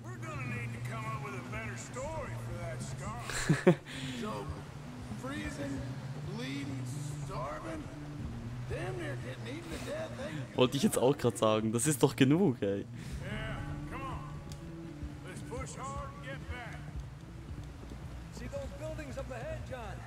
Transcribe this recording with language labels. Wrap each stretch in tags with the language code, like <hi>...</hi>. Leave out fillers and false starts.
<en>We're gonna need to come up with a better story for that scar. So, freezing, bleeding, starving, damn near getting eaten to death.</en> <de>Wollte ich jetzt auch gerade sagen, das ist doch genug, ey.</de> <en>Yeah, come on. Let's push hard and get back. See those buildings up ahead, John?</en>